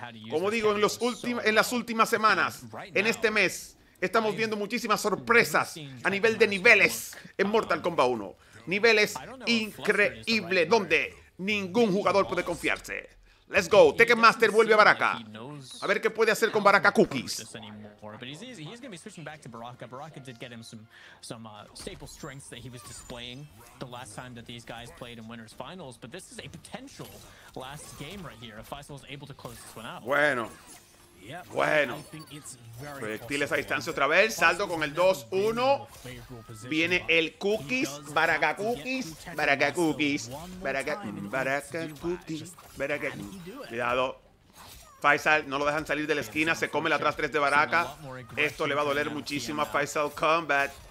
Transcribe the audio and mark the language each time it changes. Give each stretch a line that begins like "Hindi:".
Spanish: Como digo, en las últimas semanas, en este mes, estamos viendo muchísimas sorpresas a nivel de niveles en Mortal Kombat 1. Niveles increíbles donde ningún jugador puede confiarse.
English: Let's go.
Spanish: Tekken Master vuelve a Baraka. A ver qué puede hacer con Baraka Cookies.
English: But he's going to be switching back to Baraka. Baraka did get him some staple strengths that he was displaying the last time that these guys played in winners finals. But this is a potential last game right here. If Faisal is able to close this one out.
Spanish: Bueno. Bueno. Proyectiles a distancia otra vez. Saldo con el 2-1. Viene el Cookies. Baraka Cookies. Baraka Cookies. Baraka Cookies. Baraka Cookies. Cuidado. Faisal no lo dejan salir de la esquina. Se come el atrás 3 de Baraka. Esto le va a doler muchísimo a Faisal Combat.